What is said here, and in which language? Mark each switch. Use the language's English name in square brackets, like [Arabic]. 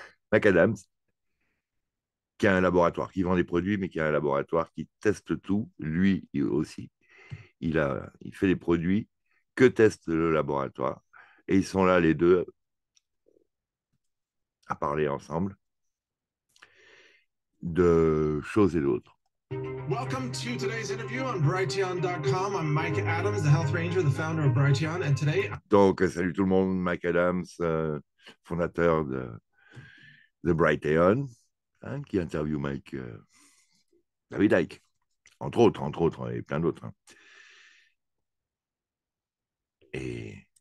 [French] Mike Adams, qui a un laboratoire, qui vend des produits, mais qui a un laboratoire qui teste tout, lui aussi. Il fait des produits que teste le laboratoire. Et ils sont là, les deux, à parler ensemble de choses et d'autres. [English] Welcome to today's interview on Brighteon.com. I'm Mike Adams, the health ranger, the founder of Brighteon, and today. [French] Donc, salut tout le monde, Mike Adams, fondateur de Brighteon, hein, qui interview Mike, David Icke, entre autres, et plein d'autres. Hein. Et